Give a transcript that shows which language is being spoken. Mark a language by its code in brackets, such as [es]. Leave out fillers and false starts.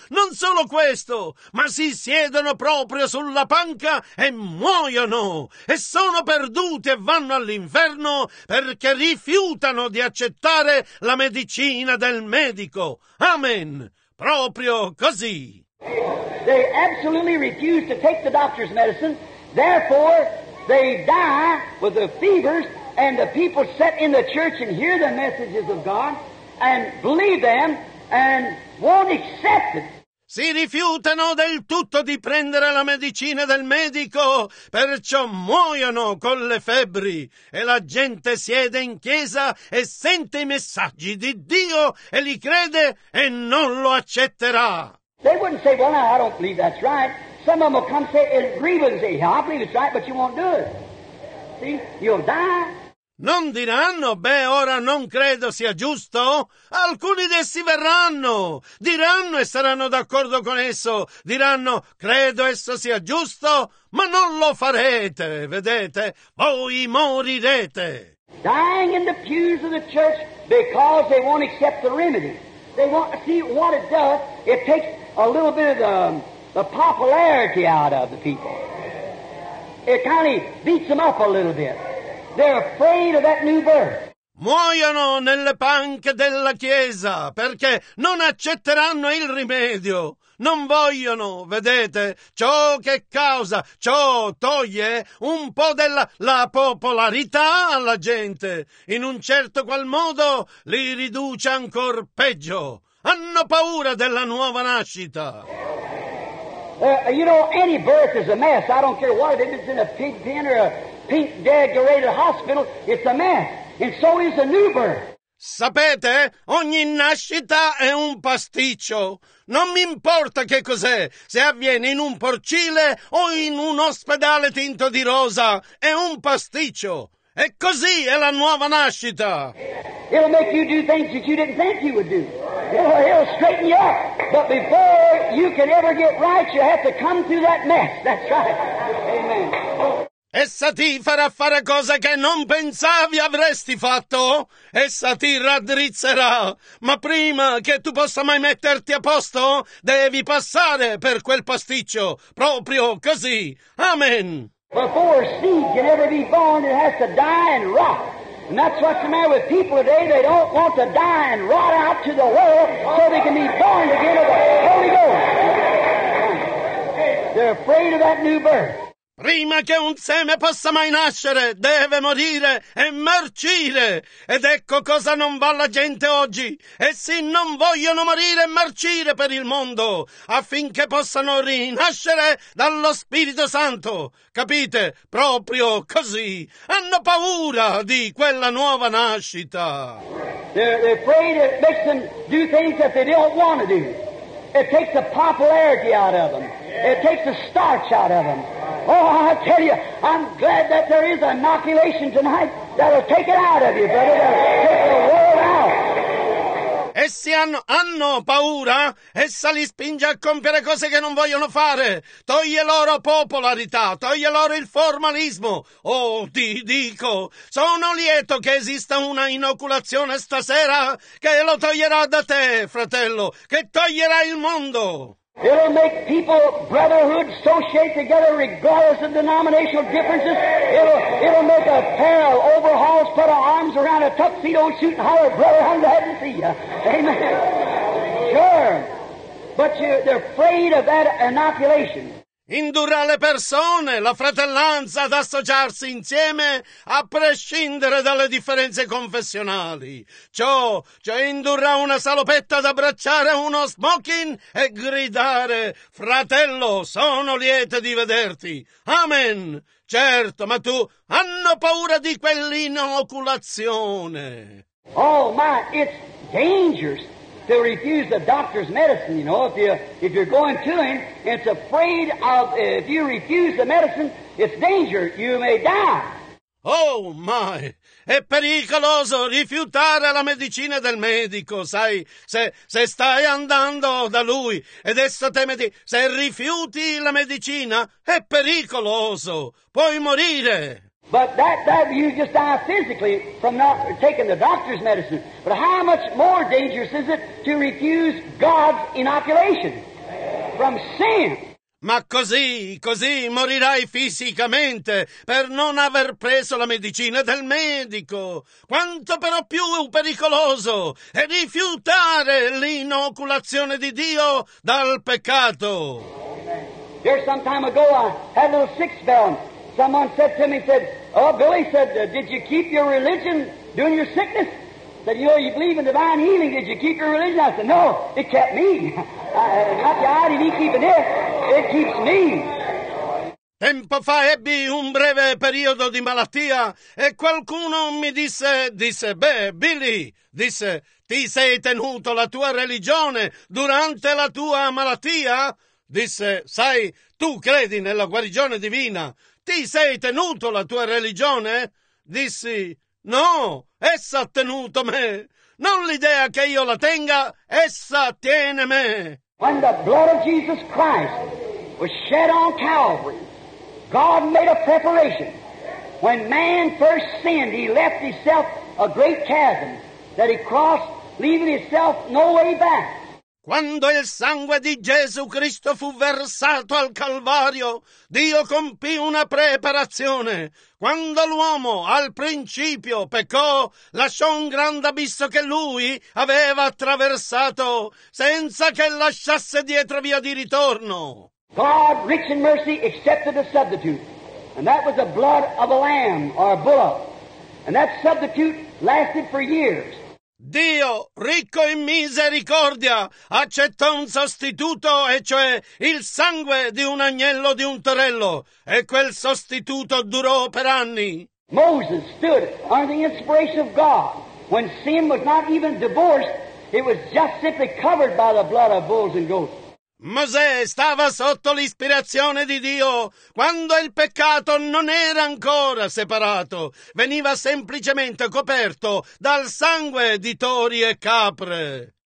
[it] Non solo questo, ma si siedono proprio sulla panca e muoiono e sono perduti e vanno all'inferno perché rifiutano di accettare la medicina del medico. Amen. Proprio così. [en] They absolutely refuse to take the doctor's medicine. Therefore, they die with the fevers, and the people sit in the church and hear the messages of God and believe them and won't accept it. [it] Si rifiutano del tutto di prendere la medicina del medico, perciò muoiono con le febbri. E la gente siede in chiesa e sente i messaggi di Dio e li crede e non lo accetterà. [en] They wouldn't say, well, no, I don't believe that's right. Some of them will come say, it grieves, and say, yeah, I believe it's right, but you won't do it. See, you'll die. [it] Non diranno, beh, ora non credo sia giusto. Alcuni d'essi verranno, diranno e saranno d'accordo con esso. Diranno, credo esso sia giusto, ma non lo farete, vedete? Voi morirete. [en] Dying in the pews of the church because they won't accept the remedy. They won't see what it does. It takes a little bit of the popularity out of the people. It kind of beats them up a little bit. They're afraid of that new birth. [it] Muoiono nelle panche della chiesa perché non accetteranno il rimedio. Non vogliono, vedete, ciò che causa, ciò toglie un po' della la popolarità alla gente. In un certo qual modo li riduce ancor peggio. Hanno paura della nuova nascita. [en] You know, any birth is a mess. I don't care what it is. It's in a pig pen or a pink decorated hospital. It's a mess. And so is a new birth. [it] Sapete, ogni nascita è un pasticcio. Non mi importa che cos'è, se avviene in un porcile o in un ospedale tinto di rosa, è un pasticcio. E così è la nuova nascita. [en] It'll make you do things that you didn't think you would do. It'll straighten you up. But before you can ever get right, you have to come through that mess. That's right. Amen. [it] Essa ti farà fare cose che non pensavi avresti fatto. Essa ti raddrizzerà. Ma prima che tu possa mai metterti a posto, devi passare per quel pasticcio. Proprio così. Amen. [en] Before seed can ever be born, it has to die and rot. And that's what's the matter with people today. They don't want to die and rot out to the world so they can be born again of the Holy Ghost. They're afraid of that new birth. [it] Prima che un seme possa mai nascere, deve morire e marcire. Ed ecco cosa non va la gente oggi. Essi non vogliono morire e marcire per il mondo, affinché possano rinascere dallo Spirito Santo. Capite? Proprio così. Hanno paura di quella nuova nascita. [en] They're afraid it makes them do things that they don't want to do. It takes the popularity out of them. It takes the starch out of them. Oh, I tell you, I'm glad that there is an inoculation tonight that'll take it out of you, brother. That'll take the world out. [it] Essi hanno paura, essa li spinge a compiere cose che non vogliono fare. Toglie loro popolarità, toglie loro il formalismo. Oh, ti dico, sono lieto che esista una inoculazione stasera che lo toglierà da te, fratello, che toglierà il mondo. [en] It'll make people brotherhood associate together regardless of denominational differences. It'll make a pair of overhauls put our arms around a tuxedo suit and holler, brother, I'm glad to see you. Amen. Sure. But they're afraid of that inoculation. [it] Indurrà le persone, la fratellanza, ad associarsi insieme, a prescindere dalle differenze confessionali. Cioè indurrà una salopetta ad abbracciare uno smoking e gridare, fratello, sono lieto di vederti. Amen. Certo, ma tu, hanno paura di quell'inoculazione. [en] Oh, [it] ma [en] it's dangerous. To refuse the doctor's medicine, you know, if you're going to him, it's afraid of, if you refuse the medicine, it's danger, you may die. Oh, my! [it] È pericoloso rifiutare la medicina del medico, sai, se stai andando da lui ed esso teme di, se rifiuti la medicina, è pericoloso, puoi morire. [en] But that you just die physically from not taking the doctor's medicine. But how much more dangerous is it to refuse God's inoculation from sin? [it] Ma così morirai fisicamente per non aver preso la medicina del medico. Quanto però più è pericoloso è rifiutare l'inoculazione di Dio dal peccato. [en] Here some time ago I had a little six bell. Someone said to me, said, "Oh, Billy," said, "did you keep your religion during your sickness?" Said, "You know, you believe in divine healing. Did you keep your religion?" I said, "No, it kept me. Not you, I didn't even keep it. It keeps me." [it] Tempo fa ebbi un breve periodo di malattia e qualcuno mi disse, "Beh, Billy," disse, "ti sei tenuto la tua religione durante la tua malattia?" Disse, "Sai, tu credi nella guarigione divina. Ti sei tenuto la tua religione?" Dissi, "No, essa ha tenuto me. Non l'idea che io la tenga, essa tiene me." [en] When the blood of Jesus Christ was shed on Calvary, God made a preparation. When man first sinned, he left himself a great chasm that he crossed, leaving himself no way back. [it] Quando il sangue di Gesù Cristo fu versato al Calvario, Dio compì una preparazione. Quando l'uomo al principio peccò, lasciò un grande abisso che lui aveva attraversato, senza che lasciasse dietro via di ritorno. [en] God, rich in mercy, accepted a substitute, and that was the blood of a lamb or a bullock, and that substitute lasted for years. [it] Dio, ricco in misericordia, accettò un sostituto, e cioè il sangue di un agnello, di un torello, e quel sostituto durò per anni. [en] Moses stood under the inspiration of God. When sin was not even divorced, it was just simply covered by the blood of bulls and goats. [it] Mosè stava sotto l'ispirazione di Dio quando il peccato non era ancora separato, veniva semplicemente coperto dal sangue di tori e capre.